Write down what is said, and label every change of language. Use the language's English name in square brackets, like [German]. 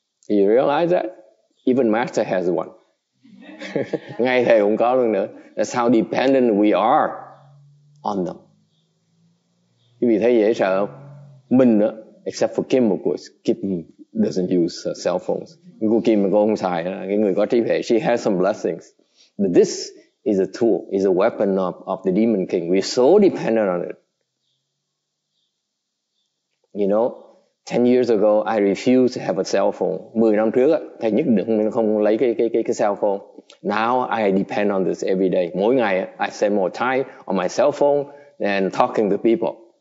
[English] You realize that? Even Master has one. [Vietnamese] Ngay thầy cũng có luôn nữa. [English] That's how dependent we are on them. [Vietnamese] Quý vị thấy dễ sợ không? Mình đó, [English] except for Kim, of course. Kim doesn't use cell phones. [Vietnamese] Cô Kim mà cô không xài, cái người có trí huệ, [English] she has some blessings. But this is a tool, is a weapon of the Demon King. We're so dependent on it. You know, 10 years ago, I refused to have a cell phone. [Vietnamese] 10 năm trước, thầy nhất định mình không lấy cái cell phone. [English] Now, I depend on this every day. [Vietnamese] Mỗi ngày, [English] I spend more time on my cell phone than talking to people.